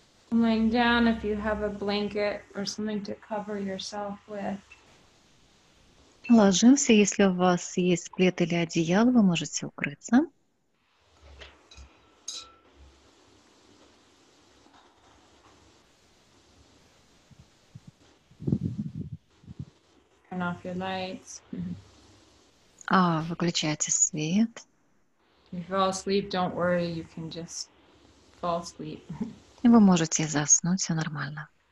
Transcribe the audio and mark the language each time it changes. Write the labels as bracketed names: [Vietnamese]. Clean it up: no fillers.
[English] Laying down, if you have a blanket or something to cover yourself with. [Russian] Ложимся, если у вас есть плед или одеяло, вы можете укрыться. [English] Turn off your lights. [Russian] Выключайте свет. [English] If you fall asleep, don't worry, you can just fall asleep. [Russian] И вы можете заснуть, все нормально.